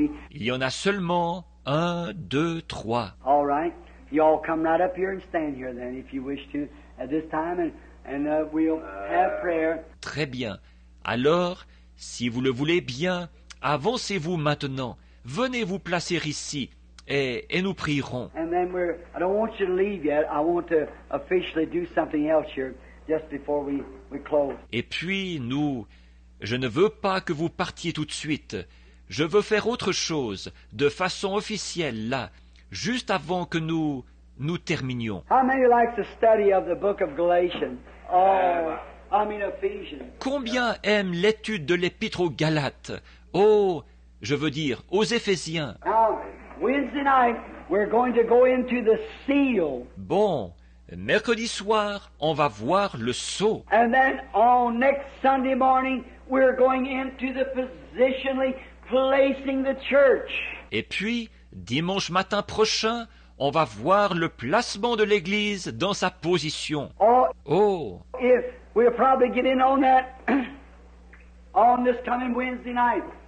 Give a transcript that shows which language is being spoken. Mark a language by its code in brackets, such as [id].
[fr] Il y en a seulement un, deux, trois. [en] All right. You all come right up here and stand here then if you wish to at this time and we'll have prayer. [fr] Très bien. Alors, si vous le voulez bien, avancez-vous maintenant. Venez vous placer ici et nous prierons. [en] And then I don't want you to leave yet. I want to officially do something else here just before we close. [fr] Et puis nous, je ne veux pas que vous partiez tout de suite. Je veux faire autre chose de façon officielle là, juste avant que nous terminions. [en] How many like the study of the book of Galatians? Ephesians. [fr] Combien aiment l'étude de l'Épître aux Galates? Oh, je veux dire, aux Éphésiens. [en] Wednesday night, we're going to go into the seal. [fr] Bon, mercredi soir, on va voir le sceau. [en] And then on next Sunday morning, we're going into the positionally placing the church. [fr] Et puis, dimanche matin prochain, on va voir le placement de l'Église dans sa position. [en] Oh, if we'll probably get in on that on this coming Wednesday night.